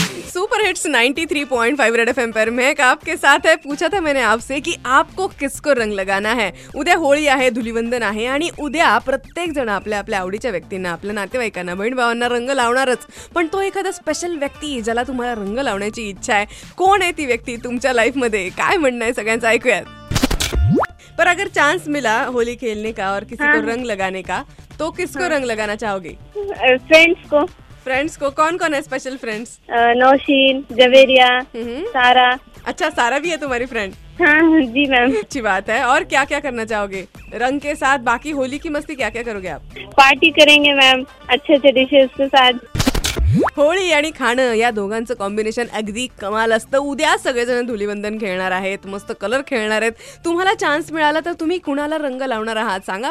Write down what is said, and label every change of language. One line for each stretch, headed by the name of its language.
Hindi: Super hits 93.5 red FM पर मैं आपके साथ है. पूछा था मैंने आपसे कि आपको किसको रंग लगाना है.
Marathi: उद्या होळी आहे, धुलिवंदन आहे आणि उद्या प्रत्येक जण आपल्या आपल्या आवडीच्या व्यक्तींना, आपल्या नातेवाईकांना, बहीण भावांना रंग लावणारच. पण तो एखादा स्पेशल व्यक्ती ज्याला तुम्हाला रंग लावण्याची इच्छा आहे, कोण आहे ती व्यक्ती तुमच्या लाईफमध्ये, काय म्हणणं आहे सगळ्यांचं ऐकूयात.
Hindi: पर अगर चान्स मिला
Marathi: होळी खेळणे
Hindi: का और किसी को रंग लगाने का, तो किसको रंग लगाना चाहोगे? फ्रेंड्स को. फ्रेंड्स को कौन कौन है स्पेशल फ्रेंड्स? नौशीन, जवेरिया, सारा. अच्छा, सारा भी है तुम्हारी फ्रेंड? हाँ जी मैम. अच्छी बात है. और क्या क्या करना चाहोगे रंग के साथ? बाकी होली की मस्ती क्या क्या करोगे आप? पार्टी करेंगे मैम, अच्छे अच्छे डिशेस के साथ.
Marathi: होळी आणि खाणं या दोघांचं कॉम्बिनेशन अगदी कमाल असतं. उद्या सगळेजण धुलिवंदन खेळणार आहेत, मस्त कलर खेळणार आहेत. तुम्हाला चान्स मिळाला तर तुम्ही कुणाला रंग लावणार आहात सांगा.